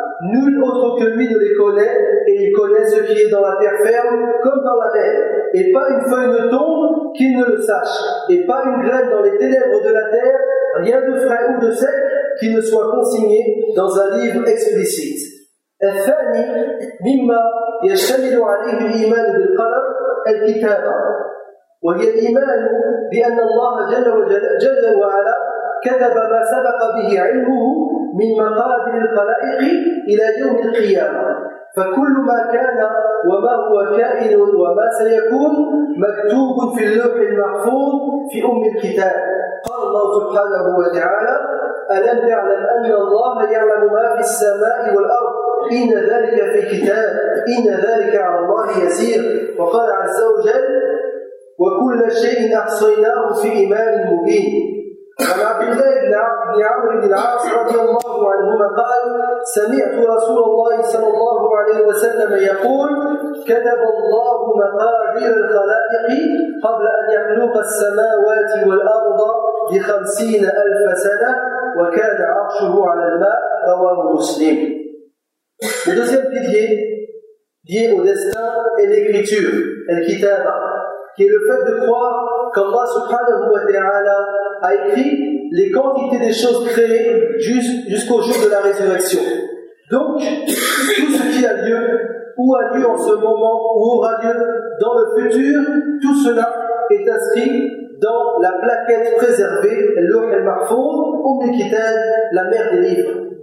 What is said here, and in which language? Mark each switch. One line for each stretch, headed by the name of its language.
French: nul autre que lui ne les connaît, et il connaît ce qui est dans la terre ferme comme dans la mer. Et pas une feuille ne tombe qu'il ne le sache, et pas une graine dans les ténèbres de la terre, rien de frais ou de sec qui ne soit consigné dans un livre explicite.
Arabic: الثاني مما يشتمل عليه الإيمان بالقلب الكتابة وهي الإيمان بأن الله جل وعلا كتب ما سبق به علمه من مقادير الخلائق إلى يوم القيامة فكل ما كان وما هو كائن وما سيكون مكتوب في اللوح المحفوظ في أم الكتاب قال الله سبحانه وتعالى ألم تعلم أن الله يعلم ما في السماء والأرض إن ذلك في كتاب إن ذلك على الله يسير وقال عز وجل وكل شيء أحصيناه في إمام مبين عن عبد الله بن عمرو بن العاص رضي الله عنهما قال سمعت رسول الله صلى الله عليه وسلم يقول كتب الله مقادير الخلائق قبل أن يخلق السماوات والأرض بخمسين ألف سنة وكان عرشه على الماء رواه مسلم.
French: Le deuxième pilier lié au destin est l'écriture, Al-Kitaba, qui est le fait de croire qu'Allah subhanahu wa ta'ala a écrit les quantités des choses créées jusqu'au jour de la résurrection. Donc, tout ce qui a lieu, ou a lieu en ce moment, ou aura lieu dans le futur, tout cela est inscrit dans la plaquette préservée, Al-Lawh al-Mahfouz, ou Al-Kitab, la mère des livres.